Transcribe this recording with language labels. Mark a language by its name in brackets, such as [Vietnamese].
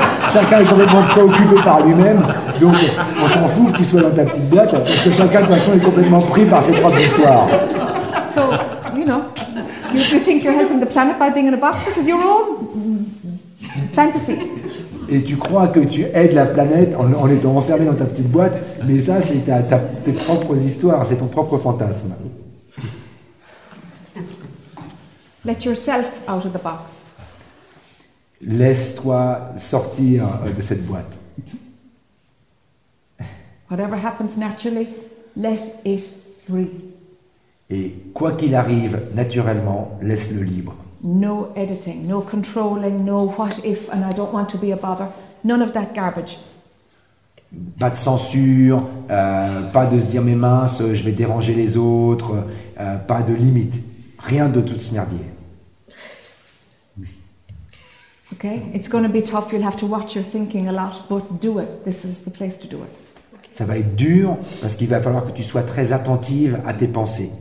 [French] Chacun est complètement préoccupé par lui-même, donc on s'en fout que tu sois dans ta petite boîte parce que chacun de toute façon est complètement pris par ses propres histoires. [English] So, you know, you think you're helping the planet by being in a box? This is your own fantasy. [French] Et tu crois que tu aides la planète en étant enfermé dans ta petite boîte, mais ça, c'est tes propres histoires, c'est ton propre fantasme. [English] Let yourself out of the box. [French] Laisse-toi sortir de cette boîte. [English] Whatever happens naturally, let it free. [French] Et quoi qu'il arrive, naturellement, laisse-le libre. [English] No editing, no controlling, no what if, and I don't want to be a bother. None of that garbage. [French] Pas de censure, pas de se dire mais mince, je vais déranger les autres, pas de limite, rien de tout ce merdier. [English] Okay, it's going to be tough. You'll have to watch your thinking a lot, but do it. This is the place to do it. [French] Ça va être dur parce qu'il va falloir que tu sois très attentive à tes pensées.